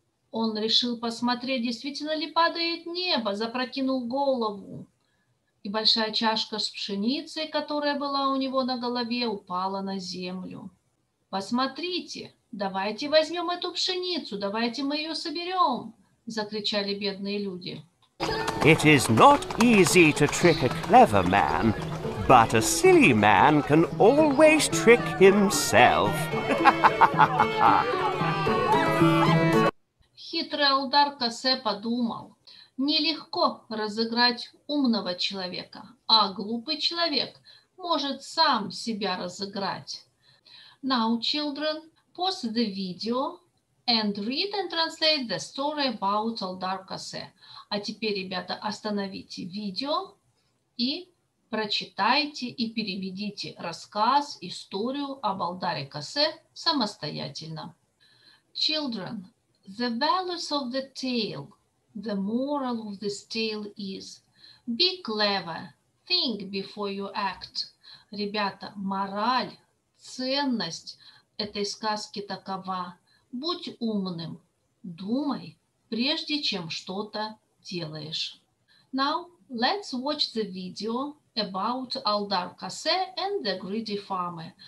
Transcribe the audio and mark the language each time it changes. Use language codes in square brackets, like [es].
[ru] Он решил посмотреть, действительно ли падает небо, запрокинул голову. И большая чашка с пшеницей, которая была у него на голове, упала на землю. Посмотрите, давайте возьмем эту пшеницу, давайте мы ее соберем, закричали бедные люди. [en] It is not easy to trick a clever man. But a silly man can always trick himself. [ru] Хитрый Aldar Kosei подумал: нелегко разыграть умного человека, а глупый человек может сам себя разыграть. [en] Now, children, pause the video and read and translate the story about Aldar Kosei. [ru] А теперь, ребята, остановите видео и прочитайте и переведите рассказ, историю об Aldare Kosei самостоятельно. [en] Children, the values of the tale, the moral of this tale is be clever, think before you act. [ru] Ребята, мораль, ценность этой сказки такова: будь умным, думай, прежде чем что-то делаешь. [en] Now, let's watch the video about Aldar Kosei and the greedy farmer.